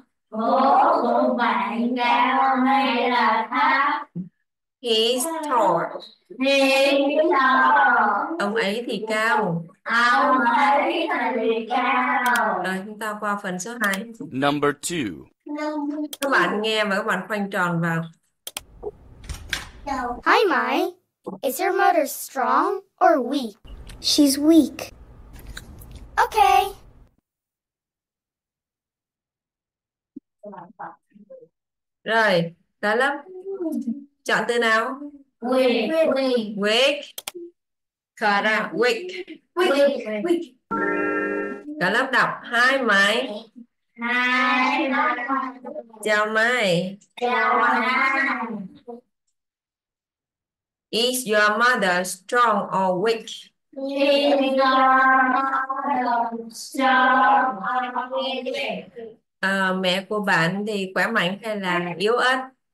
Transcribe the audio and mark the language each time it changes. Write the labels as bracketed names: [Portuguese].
[Vietnamese] Bố của bạn cao hay là thấp? [English] He's tall. He's tall. [Vietnamese] Ông ấy thì cao. Ông ấy thì cao. Rồi chúng ta qua phần số 2. [English] Number 2. [Vietnamese] Các bạn nghe và các bạn khoanh tròn vào. [English] Hi Mai, is your mother strong or weak? She's weak. Okay. [Vietnamese] Rồi, đã lắm. Chọn từ nào? [English] Weak. Weak. Cut out. Weak. Weak. [Vietnamese] Đã lắm đọc. [English] Hi, Mai. Hi, Mai. [Vietnamese] Chào Mai. Chào Mai. [English] Is your mother strong or weak? Is your mother strong or weak? [Vietnamese] Mẹ của bạn thì khỏe mạnh hay là yếu ớt?